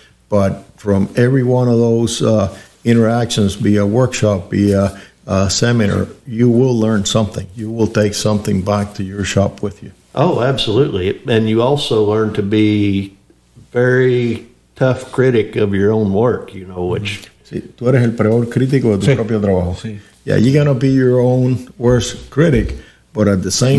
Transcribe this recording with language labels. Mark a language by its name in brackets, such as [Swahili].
[English] But from every one of those interactions, be a workshop, be a seminar, you will learn something. You will take something back to your shop with you. Oh, absolutely. And you also learn to be very tough critic of your own work, you know, which... [Spanish] Tú eres el peor crítico de tu propio trabajo. Sí. [English] Yeah, you're going to be your own worst critic, but at the same